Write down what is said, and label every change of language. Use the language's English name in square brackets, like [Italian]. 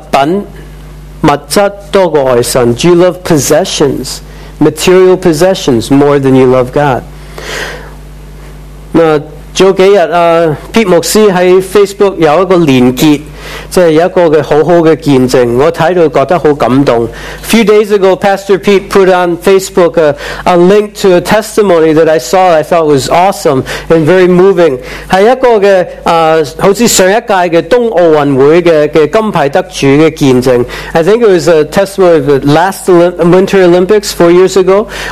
[Cantonese] 系咪爱世界嘅物品物质多过爱神？ [English] Do you love possessions, material possessions, more than you love God? [Cantonese] 那早几日，Pete牧师喺 Facebook 有一个连结，即系有一个嘅好好嘅见证，我睇到觉得好感动。 [English] Few days ago, Pastor Pete put on Facebook a link to a testimony that I saw. I thought was awesome and very moving. [Cantonese] 系一个嘅好似上一届嘅冬奥运会嘅金牌得主嘅见证。 [English] I think it was a testimony of the last Winter Olympics 4 years ago.